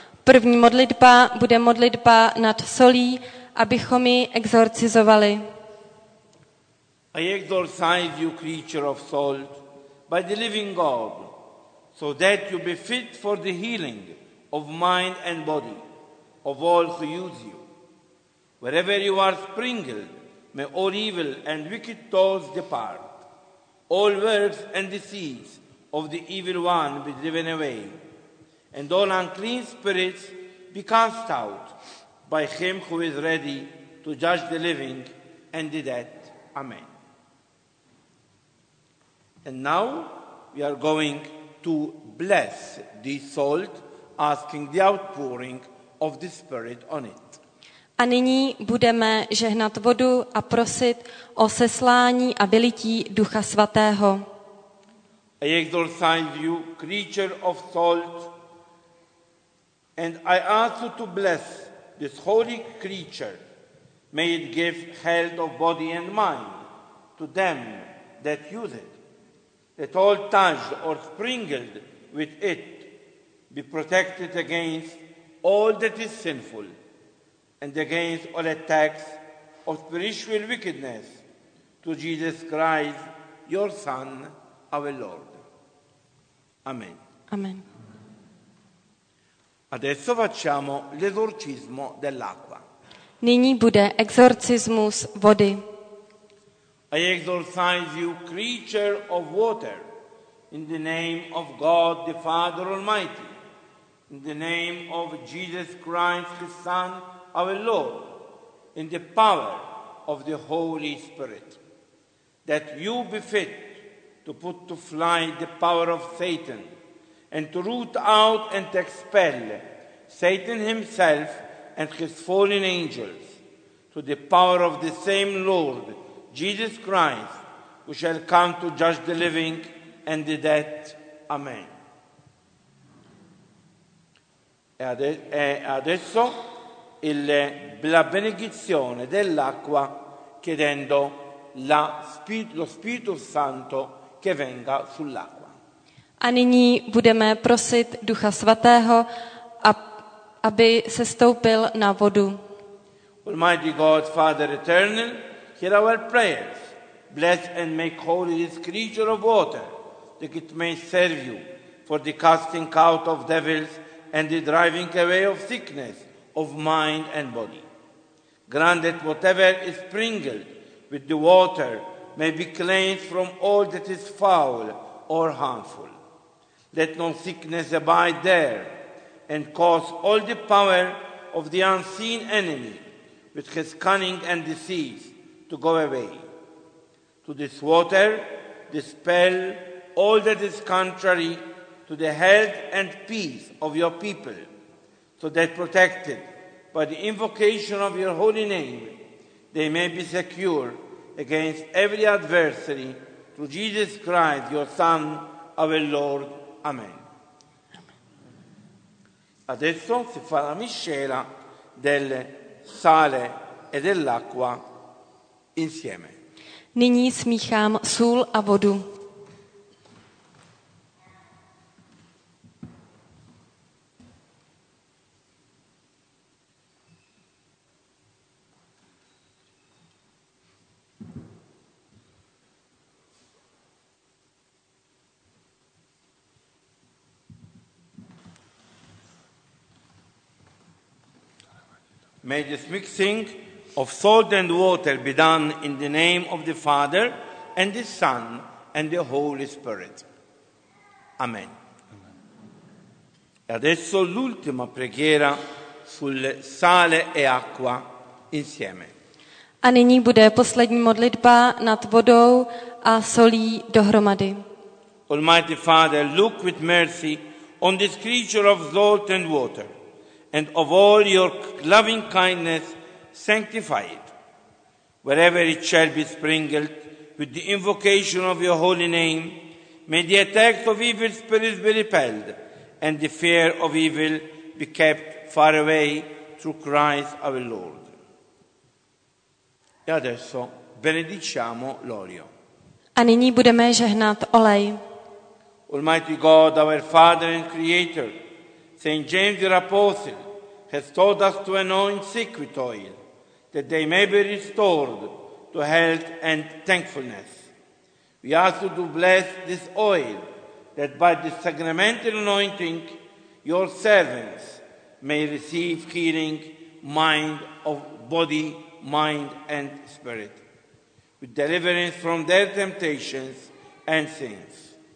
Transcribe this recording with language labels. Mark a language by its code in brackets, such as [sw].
[cs] První modlitba bude modlitba nad solí, abychom ji exorcizovali. [en] I exorcise you, creature of salt, by the living God, so that you be fit for the healing of mind and body, of all who use you. Wherever you are sprinkled, may all evil and wicked thoughts depart. All works and deceits of the evil one be driven away, and all unclean spirits be cast out by him who is ready to judge the living and the dead. Amen. And now we are going to bless the salt, asking the outpouring of the Spirit on it. [cs] A nyní budeme žehnat vodu a prosit o seslání a vylití Ducha Svatého. [en] I exorcise you, creature of salt, and I ask you to bless this holy creature. May it give health of body and mind to them that use it. That all touched or sprinkled with it be protected against all that is sinful and against all attacks of spiritual wickedness to Jesus Christ, your Son, our Lord. Amen. Amen. [it] Adesso facciamo l'esorcismo dell'acqua. [cs] Nyní bude exorcismus vody. [en] I exorcise you, creature of water, in the name of God the Father Almighty, in the name of Jesus Christ, his Son, our Lord, in the power of the Holy Spirit, that you be fit to put to flight the power of Satan and to root out and to expel Satan himself and his fallen angels to the power of the same Lord, Jesus Christ, who shall come to judge the living and the dead. Amen. [it] E adesso la benedizione dell'acqua, chiedendo lo Spirito Santo che venga sull'acqua. [cs] A nyní budeme prosit Ducha Svatého, aby se stoupil na vodu. [en] Almighty God, Father Eternal, hear our prayers, bless and make holy this creature of water, that it may serve you for the casting out of devils and the driving away of sickness of mind and body. Grant that whatever is sprinkled with the water may be cleansed from all that is foul or harmful. Let no sickness abide there, and cause all the power of the unseen enemy with his cunning and deceit to go away. To this water, dispel all that is contrary to the health and peace of your people, so that protected by the invocation of your holy name, they may be secure against every adversary, through Jesus Christ, your Son, our Lord. Amen. [it] Adesso si fa la miscela del sale e dell'acqua insieme. [cs] Nyní smíchám sůl a vodu. [en] May this mixing of salt and water be done in the name of the Father and the Son and the Holy Spirit. Amen. [it] E adesso l'ultima preghiera sul sale e acqua insieme. [cs] A nyní bude poslední modlitba nad vodou a solí dohromady. [en] Almighty Father, look with mercy on this creature of salt and water, and of all your loving kindness, sanctify it. Wherever it shall be sprinkled with the invocation of your holy name, may the attacks of evil spirits be repelled, and the fear of evil be kept far away through Christ our Lord. [it] E adesso benediciamo l'olio. [cs] A nyní budeme žehnat olej. [en] Almighty God, our Father and Creator, Saint James the Apostle, has taught us to anoint sick with oil, that they may be restored to health and thankfulness. We ask you to bless this oil, that by this sacramental anointing, your servants may receive healing, mind of body, mind and spirit, with deliverance from their temptations and sins.